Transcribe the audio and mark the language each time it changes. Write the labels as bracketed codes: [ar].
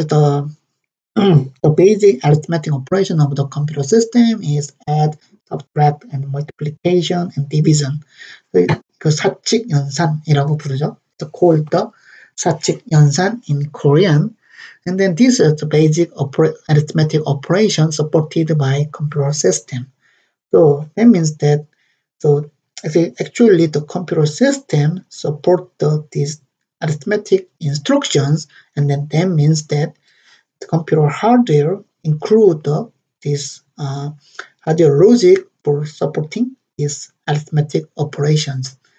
[en] So actually the basic arithmetic operation of the computer system is add, subtract, and multiplication and division. [ko] So 그 사칙 연산이라고 부르죠. [en] It's called the 사칙 연산 in Korean. And then this is the basic arithmetic operation supported by computer system. So that means that actually the computer system support these arithmetic instructions, and then that means that the computer hardware include this hardware logic for supporting these arithmetic operations.